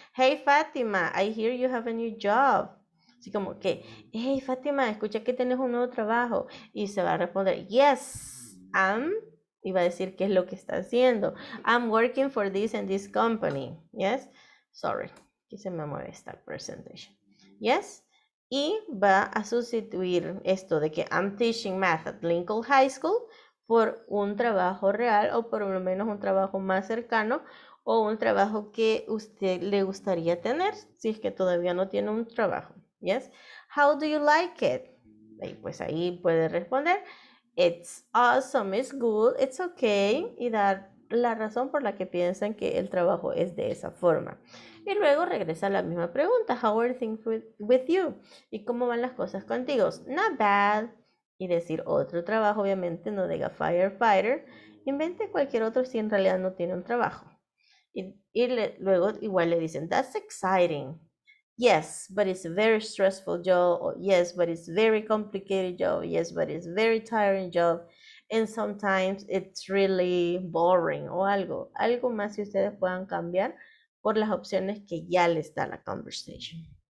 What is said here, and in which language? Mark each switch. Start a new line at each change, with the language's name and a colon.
English: Hey, Fátima, I hear you have a new job.
Spanish: Así como que, hey, Fátima, escucha que tienes un nuevo trabajo. Y se va a responder,
English: yes, I'm,
Spanish: y va a decir qué es lo que está haciendo.
English: I'm working for this and this company. Yes, sorry,
Spanish: que se me mueve esta
English: presentation.
Spanish: Yes, y va a sustituir esto de que
English: I'm teaching math at Lincoln High School
Spanish: por un trabajo real o por lo menos un trabajo más cercano o un trabajo que usted le gustaría tener si es que todavía no tiene un trabajo.
English: Yes, how do you like it?
Spanish: Pues ahí puede responder,
English: it's awesome, it's good, it's okay,
Spanish: y dar la razón por la que piensan que el trabajo es de esa forma. Y luego regresa la misma pregunta,
English: how are things with you?
Spanish: ¿Y cómo van las cosas contigo?
English: Not bad.
Spanish: Y decir otro trabajo, obviamente, no diga firefighter. Invente cualquier otro si en realidad no tiene un trabajo. Y luego igual le dicen,
English: that's exciting. Yes, but it's a very stressful job. Yes, but it's a very complicated job. Yes, but it's a very tiring job. and sometimes it's really boring
Spanish: o algo. Algo más que ustedes puedan cambiar por las opciones que ya les da la conversation.